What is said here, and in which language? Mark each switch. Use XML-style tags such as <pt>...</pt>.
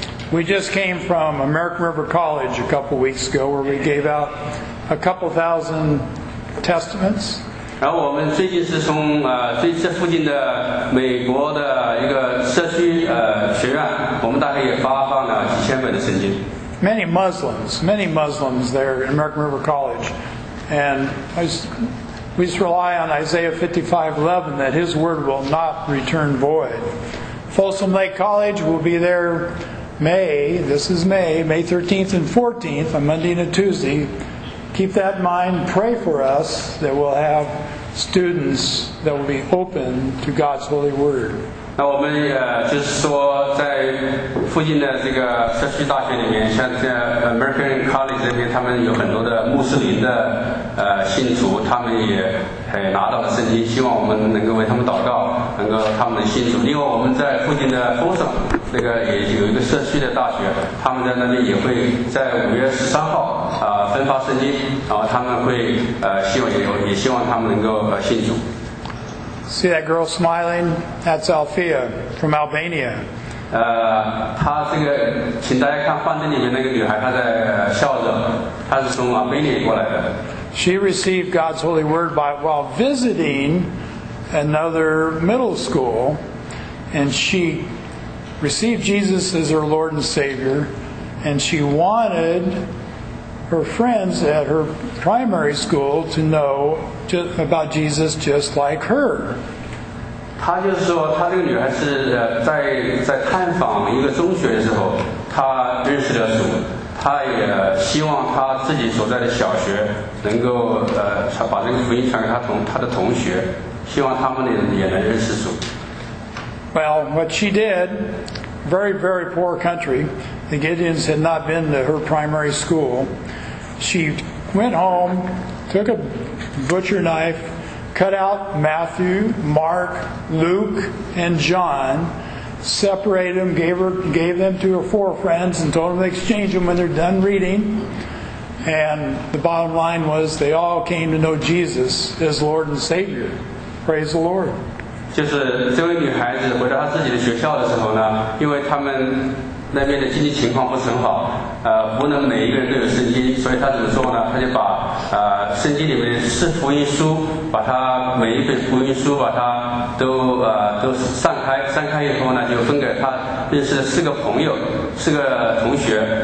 <en>We just came from American River College a couple weeks ago where we gave out a couple thousand testaments.</en> <zh>然后我们最近是从这附近的美国的一个社区学院，我们大概也发放了几千本的圣经。</zh> <en>Many Muslims there in American River College. And we just rely on Isaiah 55:11 that his word will not return void. Folsom Lake College. We'll be there May 13th and 14th, a Monday and a Tuesday. Keep that in mind. Pray for us that we'll have students that will be open to God's holy word.</en> <zh>那我们也就是说在附近的这个社区大学里面，像在 American College 这边，他们有很多的穆斯林的信徒，他们也拿到了圣经，希望我们能够为他们祷告，能够他们的信主。另外我们在附近的 Folsom 那个也有一个社区的大学，他们在那里也会在5月13号分发圣经，然后他们会也希望他们能够信主。</zh> <en>See that girl smiling? That's Alfia from Albania.</en> <zh>她这个，请大家看画面里面那个女孩，她在笑着，她是从 Albania 过来的。</zh> <en>She received God's holy word while visiting another middle school, and she received Jesus as her Lord and Savior, and she wanted her friends at her primary school to know about Jesus just like her.</en> <zh>她就是说，她这个女孩是在探访一个中学的时候，她认识了主。他也希望他自己所在的小学能够把这个福音传给他的同学，希望他们也能认识主。</zh> <en>Well, what she did, very, very poor country. The Gideons had not been to her primary school. She went home, took a butcher knife, cut out Matthew, Mark, Luke, and John. Separated them, gave them to her four friends and told them to exchange them when they're done reading. And the bottom line was they all came to know Jesus as Lord and Savior. Praise the Lord.</en> <zh>就是这位女孩子回到她自己的学校的时候呢，因为他们那边的经济情况不是很好，不能每一个人都有圣经，所以她怎么做呢？她就把圣经里面四福音书，把它每一本福音书把它都散开以后呢，就分给她认识的四个朋友，四个同学。</zh>